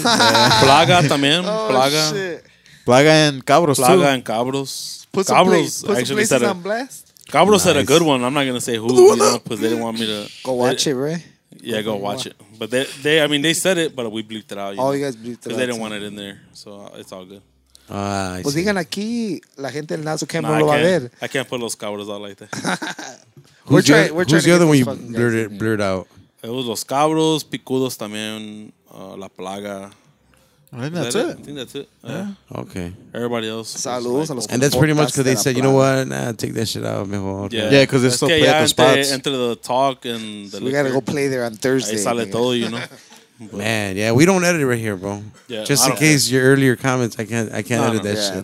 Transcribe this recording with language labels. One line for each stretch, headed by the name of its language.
Spanish: Plaga también. Plaga.
English: Oh, shit. Plaga and Cabros, too. Plaga and Cabros. Put some, Cabros put actually some places said a, on blast. Cabros nice. Said a good one. I'm not going to say who, you know, because they didn't want me to. Go watch it, right? Yeah, go watch it. But they I mean, they said it, but we bleeped it out. You oh, know? You guys bleeped it out. Because they didn't want it in there. So it's all good. Ah,
Spanish: pues digan aquí, la gente del Nazo can't nah, lo va a ver.
English: I can't put Los Cabros out like that. Who's, we're trying, who's the other one you blurred out? It was Los Cabros, Picudos también, La Plaga. I think that's it. I think that's it. Yeah. Yeah. Okay. Everybody else.
Spanish: Saludos a los.
English: And that's pretty much because they said, you know what? Nah, take that shit out. Mejor. Yeah, because yeah, they still play at the spots. Enter the talk and the so we got to go play there on Thursday.
Spanish: Ahí sale todo, you know?
English: Man, yeah, we don't edit it right here, bro. Yeah, just in case your earlier comments, I can't edit that shit.